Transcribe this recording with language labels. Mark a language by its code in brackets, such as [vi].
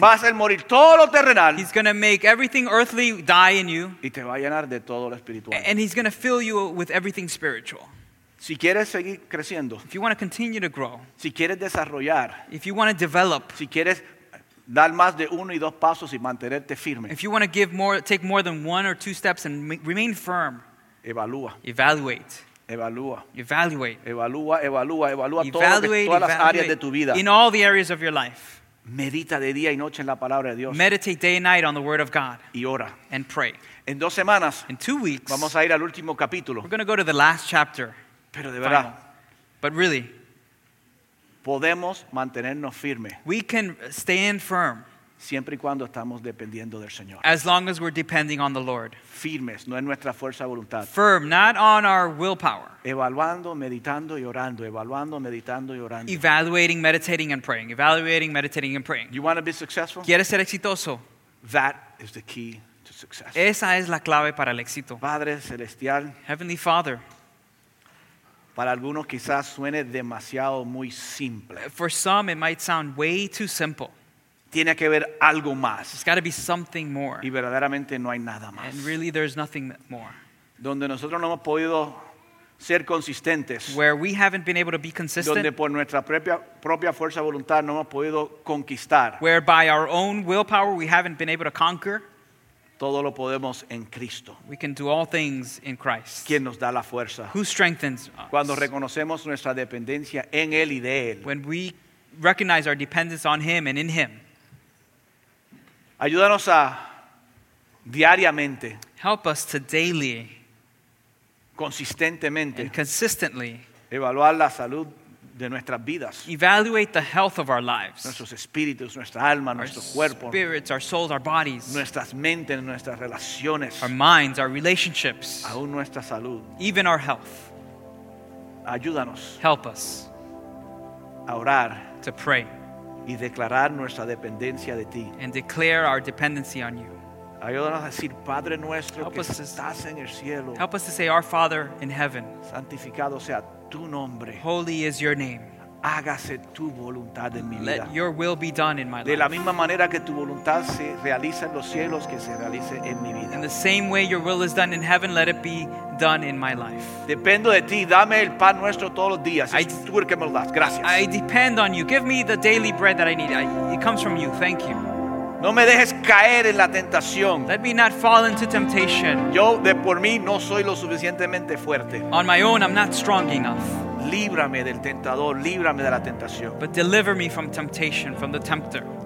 [es] Va a hacer morir todo lo terrenal. [en] He's going to make everything earthly die in you. [es] Y te va a llenar de todo lo espiritual. [en] And he's going to fill you with everything spiritual. [es] Si quieres seguir creciendo. [en] If you want to continue to grow. [es] Si quieres desarrollar. [en] If you want to develop. [es] Si quieres Dar más de uno y dos pasos y mantenerte firme. [en] If you want to give more, take more than one or two steps and remain firm. [es] Evalúa. [en] Evaluate. [es] Evalúa. [en] Evaluate. [es] Evalúa, evalúa, evalúa todas las áreas de tu vida. [en] In all the areas of your life. [es] Medita de día y noche en la palabra de Dios. [en] Meditate day and night on the word of God. [es] Y ora. [en] And pray. [es] En dos semanas. [en] In 2 weeks. [es] Vamos a ir al último capítulo. [en] We're going to go to the last chapter. [es] Pero de verdad. [en] But really. [es] Podemos mantenernos firmes. [en] We can stand firm. [es] Siempre y cuando estamos dependiendo del Señor. [en] As long as we're depending on the Lord. [es] Firmes, no en nuestra fuerza de voluntad. [en] Firm, not on our willpower. [es] Evaluando, meditando y orando. Evaluando, meditando y orando. [en] Evaluating, meditating and praying. Evaluating, meditating and praying. You want to be successful? [es] ¿Quieres ser exitoso? [en] That is the key to success. [es] Esa es la clave para el éxito. Padre celestial. [en] Heavenly Father. [es] Para algunos quizás suene demasiado muy simple. [en] For some it might sound way too simple. [es] Tiene que haber algo más. [en] It's got to be something more. [es] Y verdaderamente no hay nada más. [en] And really there's nothing more. [es] Donde nosotros no hemos podido ser consistentes. [en] Where we haven't been able to be consistent. [es] Donde por nuestra propia fuerza de voluntad no hemos podido conquistar. [en] Where by our own willpower we haven't been able to conquer. [es] Todo lo podemos en Cristo. [en] We can do all things in Christ. [es] ¿Quién nos da la fuerza? [en] Who strengthens us? [es] Cuando reconocemos nuestra dependencia en Él y de Él. [en] When we recognize our dependence on Him and in Him. [es] Ayúdanos a diariamente. [en] Help us to daily. [es] Consistentemente. [en] And consistently. [es] Evaluar la salud de nuestras vidas. [en] Evaluate the health of our lives. [es] Nuestros espíritus, nuestra alma, nuestro cuerpo. [en] Our spirits, our souls, our bodies. [es] Nuestras mentes, nuestras relaciones. [en] Our minds, our relationships. [es] Aún nuestra salud. [en] Even our health. [es] Ayúdanos. [en] Help us. [es] A orar. [en] To pray. [es] Y declarar nuestra dependencia de ti. [en] And declare our dependency on you. [es] Ayúdanos a decir Padre nuestro que estás en el cielo. [en] Help us to say our Father in heaven. [es] Santificado sea tu nombre. [en] Holy is your name. [es] Hágase tu voluntad en mi vida. [en] Let your will be done in my life. [es] De la misma manera que tu voluntad se realiza en los cielos, que se realice en mi vida. [en] In the same way your will is done in heaven, let it be done in my life. [es] Dependo de ti, dame el pan nuestro todos los días. Es tú el que me lo das. Gracias. [en] I depend on you. Give me the daily bread that I need. It comes from you. Thank you. [es] No me dejes caer en la tentación. [en] Let me not fall into temptation. [es] Yo de por mí no soy lo suficientemente fuerte. [en] On my own, I'm not strong enough. [es] Líbrame del tentador, líbrame de la tentación. [en] But deliver me from temptation, from the tempter.